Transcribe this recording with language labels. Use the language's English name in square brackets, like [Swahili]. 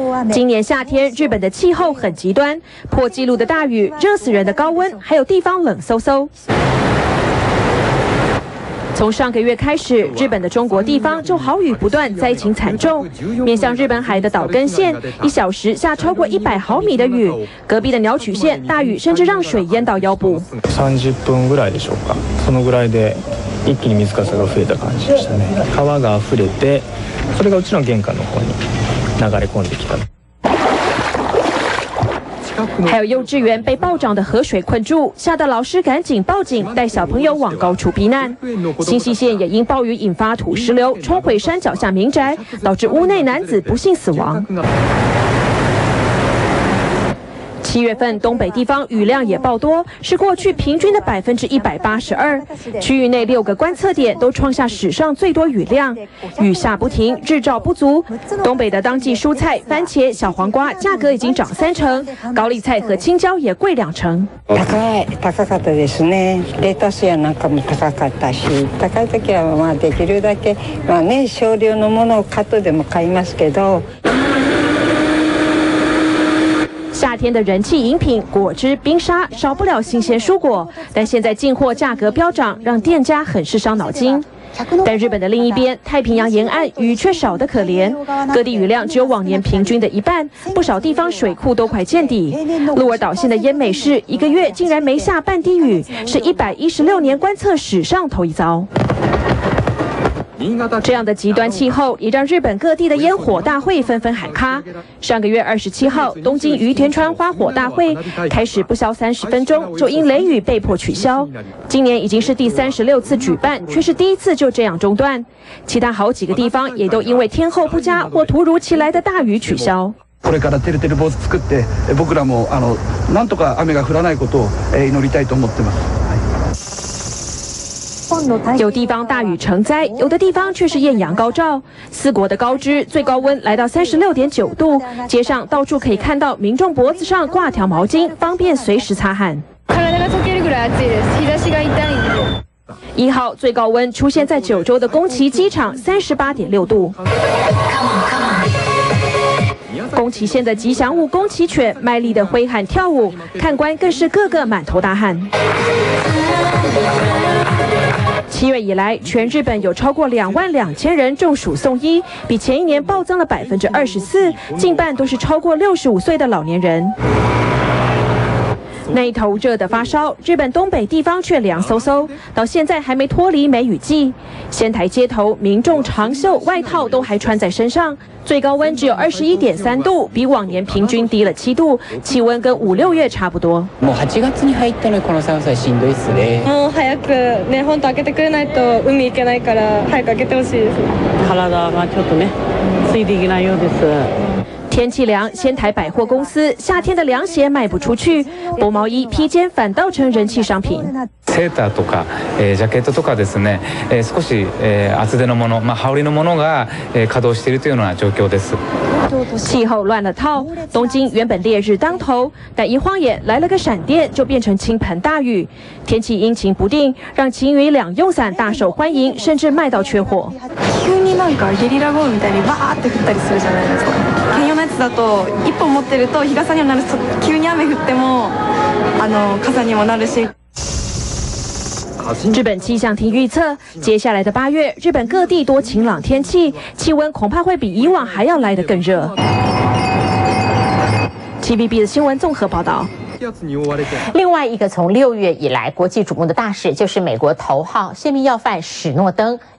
[Chinese] 今年夏天日本的气候很极端，破纪录的大雨，热死人的高温，还有地方冷飕飕。从上个月开始，日本的中国地方就豪雨不断，灾情惨重。面向日本海的岛根县，1小时下超过100毫米的雨，隔壁的鸟取县大雨甚至让水淹到腰部。 [Japanese] 30分ぐらいでしょうか。そのぐらいで一気に水かさが増えた感じでしたね。川が溢れて、それがうちの玄関の方に流れ込んできた。 [Chinese] 还有幼稚园被暴涨的河水困住，吓得老师赶紧报警，带小朋友往高处避难。新西县也因暴雨引发土石流冲毁山脚下民宅，导致屋内男子不幸死亡。 7月份东北地方雨量也爆多，是过去平均的182%，区域内6个观测点都创下史上最多雨量，雨下不停，日照不足。东北的当季蔬菜番茄、小黄瓜价格已经涨30%，高丽菜和青椒也贵20%。 [Japanese] 高かったですね。レタスやなんかも高かったし、高い時はまあできるだけまあね少量のものをカットでも買いますけど。 [Chinese] 夏天的人气饮品果汁、冰沙少不了新鲜蔬果，但现在进货价格飙涨，让店家很是伤脑筋。但日本的另一边，太平洋沿岸雨却少得可怜，各地雨量只有往年平均的一半，不少地方水库都快见底。鹿儿岛县的奄美市一个月竟然没下半滴雨，是116年观测史上头一遭。这样的极端气候也让日本各地的烟火大会纷纷喊卡。上个月27号，东京羽田川花火大会开始不消30分钟，就因雷雨被迫取消。今年已经是第36次举办，却是第一次就这样中断。其他好几个地方也都因为天候不佳或突如其来的大雨取消。 [Japanese] これからてるてる坊主作って、僕らもなんとか雨が降らないことを祈りたいと思ってます。 [Chinese] 有地方大雨成灾，有的地方却是艳阳高照。四国的高知最高温来到36.9度，街上到处可以看到民众脖子上挂条毛巾，方便随时擦汗。 1号最高温出现在九州的宫崎机场，38.6度。宫崎县的吉祥物宫崎犬卖力的挥汗跳舞，看官更是个个满头大汗。 7月以来，全日本有超过22000人中暑送医，比前一年暴增了24%，近半都是超过65岁的老年人。那一头热的发烧，日本东北地方却凉飕飕，到现在还没脱离梅雨季。仙台街头民众长袖外套都还穿在身上，最高温只有 21.3 度，比往年平均低了7度，气温跟五六月差不多。 [Japanese] もう8月に入ったのにこの寒さはしんどいですね。もう早くね、本当開けてくれないと海行けないから早く開けてほしいです。体がちょっとね、ついていけないようです。 [Chinese] 天气凉，仙台百货公司夏天的凉鞋卖不出去，薄毛衣、披肩反倒成人气商品。 [Japanese] セーターとか、ジャケットとかですね、少し、厚手のもの、まあ羽織のものが、稼働しているというような状況です。 [Chinese] 气候乱了套，东京原本烈日当头，但一晃眼来了个闪电，就变成倾盆大雨。天气阴晴不定，让晴雨两用伞大受欢迎，甚至卖到缺货。 [Japanese] 急になんかゲリラ豪雨みたいにわーって降ったりするじゃないですか。兼用のやつだと一本持ってると日傘にもなるし、急に雨降っても傘にもなるし。 [Chinese] 日本气象厅预测，接下来的八月，日本各地多晴朗天气，气温恐怕会比以往还要来得更热。 TVB 的新闻综合报道。另外一个从六月以来国际瞩目的大事，就是美国头号泄密要犯史诺登。